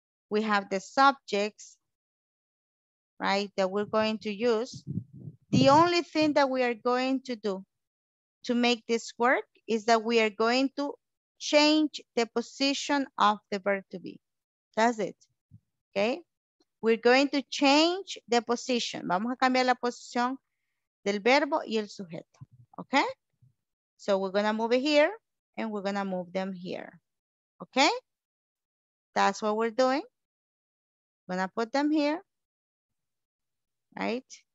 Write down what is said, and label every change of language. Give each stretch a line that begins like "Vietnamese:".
English: We have the subjects, right, that we're going to use. The only thing that we are going to do to make this work is that we are going to change the position of the verb to be. That's it, okay? We're going to change the position.
Spanish: Vamos a cambiar la posición del verbo y el sujeto, okay?
English: So we're gonna move it here and we're gonna move them here, okay? That's what we're doing. We're gonna put them here. Right.